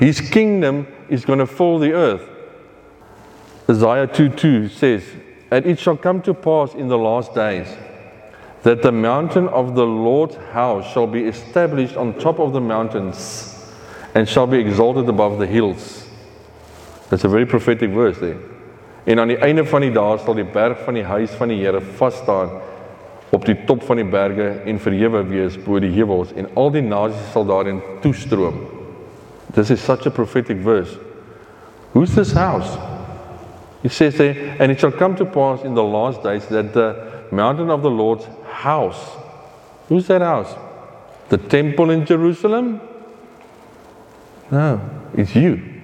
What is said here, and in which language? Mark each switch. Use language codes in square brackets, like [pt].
[en] His kingdom is going to fill the earth. Isaiah 2:2 says, and it shall come to pass in the last days that the mountain of the Lord's house shall be established on top of the mountains and shall be exalted above the hills. That's a very prophetic verse there. [af] En aan die einde van die dae sal die berg van die huis van die Here vas staan op die top van die berge en verhewe wees bo die heuwels en al die nasies sal daarin toestroom. [en] This is such a prophetic verse. Who's this house? It says there, and it shall come to pass in the last days that the mountain of the Lord's house. Who's that house? The temple in Jerusalem? No, it's you.